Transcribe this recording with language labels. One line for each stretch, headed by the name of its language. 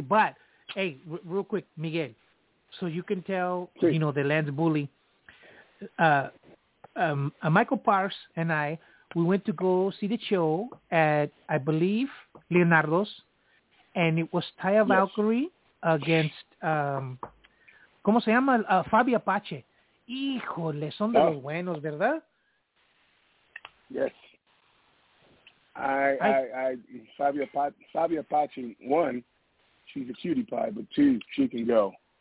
English: But, hey, real quick, Miguel, so you can tell, you know, the Lance Bully. Michael Parks and I, we went to go see the show at, I believe, Leonardo's, and it was Taya Valkyrie against...
Spanish: ¿Cómo se llama? Fabi Apache. Híjole, son de los buenos, ¿verdad?
English: Yes. Fabi Apache, one, she's a cutie pie, but two, she can go.